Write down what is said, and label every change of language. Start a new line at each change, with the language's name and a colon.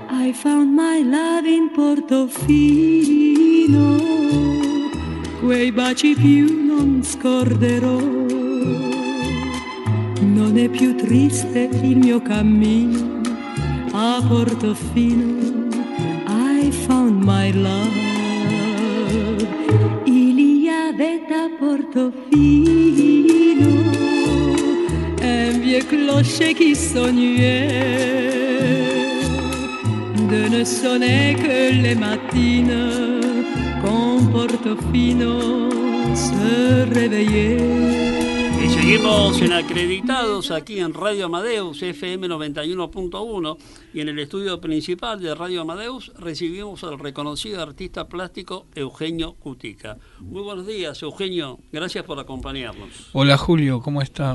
English: I found my love in Portofino,
Italian: quei baci più non scorderò. Non è più triste il mio cammino a Portofino,
English: I found my love.
French: Veta Portofino, un vieux clocher qui sonnait, de ne sonner que les matines, quand Portofino se réveillait.
Spanish: Y seguimos en Acreditados aquí en Radio Amadeus FM 91.1, y en el estudio principal de Radio Amadeus recibimos al reconocido artista plástico Eugenio Cutica. Muy buenos días, Eugenio, gracias por acompañarnos. Hola, Julio, ¿cómo está?